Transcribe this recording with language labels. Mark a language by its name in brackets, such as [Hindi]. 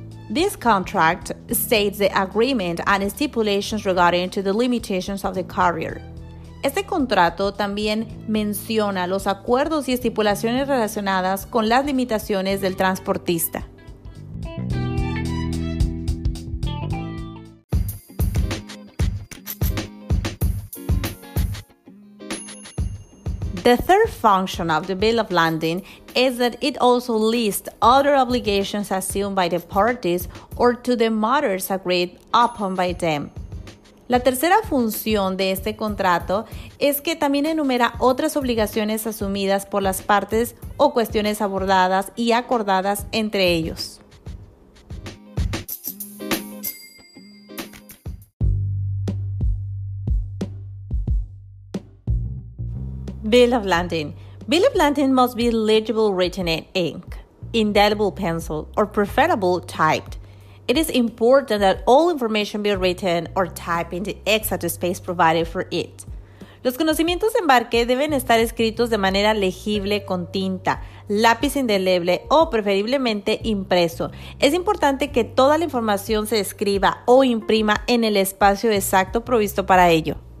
[English] This contract states the agreement and stipulations regarding to the limitations of the carrier. [Spanish] Este contrato también menciona los acuerdos y estipulaciones relacionadas con las limitaciones del transportista. [English] The third function of the bill of lading is that it also lists other obligations assumed by the parties or to the matters agreed upon by them. [Spanish] La tercera función de este contrato es que también enumera otras obligaciones asumidas por las partes o cuestiones abordadas y acordadas entre ellos. [English] Bill of lading. Bill of lading must be legible written in ink, indelible pencil, or preferable typed. It is important that all information be written or typed in the exact space provided for it. [Spanish] Los conocimientos de embarque deben estar escritos de manera legible con tinta, lápiz indeleble o preferiblemente impreso. Es importante que toda la información se escriba o imprima en el espacio exacto provisto para ello.